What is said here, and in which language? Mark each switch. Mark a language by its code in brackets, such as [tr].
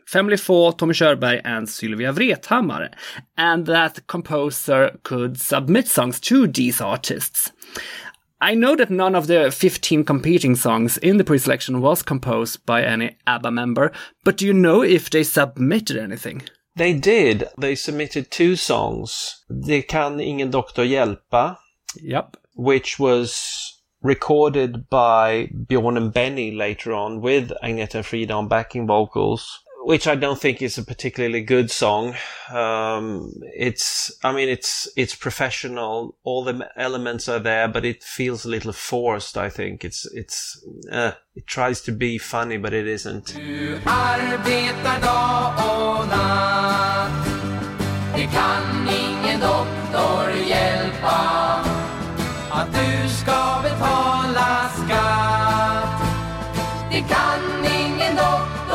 [en] Family Four, Tommy Körberg and Sylvia Vrethammar. And that composer could submit songs to these artists. I know that none of the 15 competing songs in the pre-selection was composed by any ABBA member, but do you know if they submitted anything? They did. They submitted two songs. [sv] Det kan ingen doktor hjälpa. [en] Yep. Which was recorded by Björn and Benny later on with Agneta and Frida on backing vocals, which I don't think is a particularly good song. It's professional. All the elements are there, but it feels a little forced, I think. It tries to be funny, but it isn't. [sv] Du arbetar dag och natt. Det kan ingen doktor hjälpa. Att du ska betala skatt. Det kan ingen doktor.